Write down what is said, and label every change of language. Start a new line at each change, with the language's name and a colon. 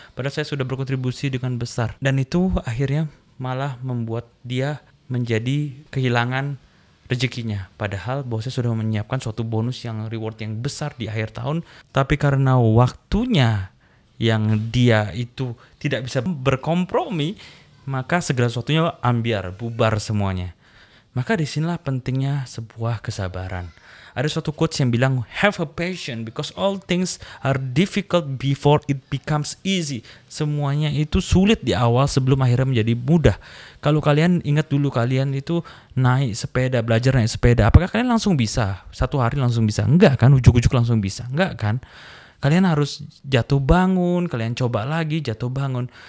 Indonesian: Padahal saya sudah berkontribusi dengan besar. Dan itu akhirnya malah membuat dia menjadi kehilangan rezekinya. Padahal bosnya sudah menyiapkan suatu bonus yang reward yang besar di akhir tahun. Tapi karena waktunya yang dia itu tidak bisa berkompromi, maka segala sesuatunya ambiar, bubar semuanya. Maka disinilah pentingnya sebuah kesabaran. Ada suatu quotes yang bilang,
English: have a patience because all things are difficult before it becomes easy.
Indonesian: Semuanya itu sulit di awal sebelum akhirnya menjadi mudah. Kalau kalian ingat dulu, kalian itu naik sepeda, belajar naik sepeda, apakah kalian langsung bisa? Satu hari langsung bisa? Enggak kan? Ujuk-ujuk langsung bisa? Enggak kan? Kalian harus jatuh bangun, kalian coba lagi, jatuh bangun.